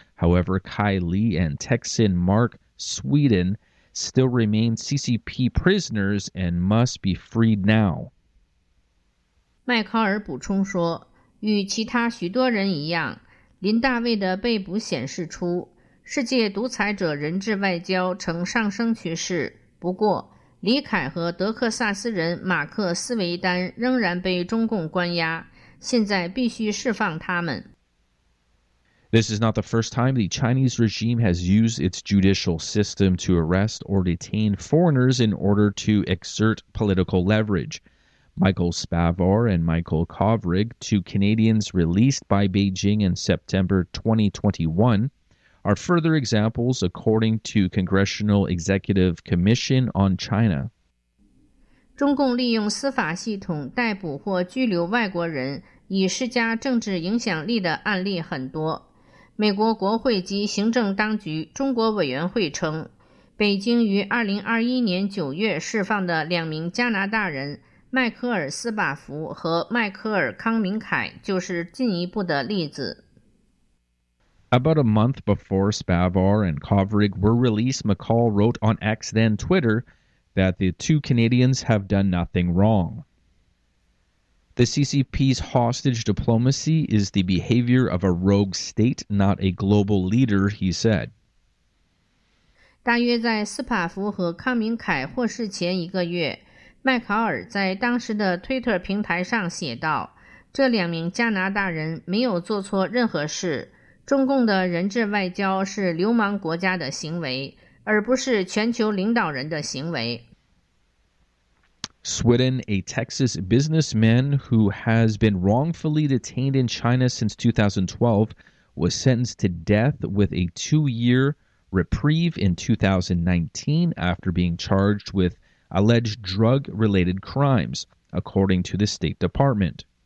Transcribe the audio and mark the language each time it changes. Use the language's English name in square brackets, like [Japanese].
[English] However, Kai Lee and Texan Mark Sweden still remain CCP prisoners and must be freed now. [Chinese] 麦考尔补充说，与其他许多人一样，林大卫的被捕显示出世界独裁者人质外交呈上升趋势。不过，李凯和德克萨斯人马克·斯维丹仍然被中共关押，现在必须释放他们。 [English] This is not the first time the Chinese regime has used its judicial system to arrest or detain foreigners in order to exert political leverage. Michael Spavor and Michael Kovrig, two Canadians released by Beijing in September 2021, are further examples according to Congressional Executive Commission on China. [Chinese] 中共利用司法系统逮捕或拘留外国人以施加政治影响力的案例很多。美国国会及行政当局中国委员会称，北京于2021年9月释放的两名加拿大人迈克尔·斯巴福和迈克尔·康明凯就是进一步的例子。 [English] About a month before Spavor and Kovrig were released, McCaul wrote on X then Twitter that the two Canadians have done nothing wrong. The CCP's hostage diplomacy is the behavior of a rogue state, not a global leader, he said. [Chinese] 大约在斯帕福和康明凯获释前一个月，麦考尔在当时的推特平台上写道，这两名加拿大人没有做错任何事，中共的人质外交是流氓国家的行为，而不是全球领导人的行为。 [English] Sweden, a Texas businessman who has been wrongfully detained in China since 2012, was sentenced to death with a 2-year reprieve in 2019 after being charged with alleged drug-related crimes, according to the State Department.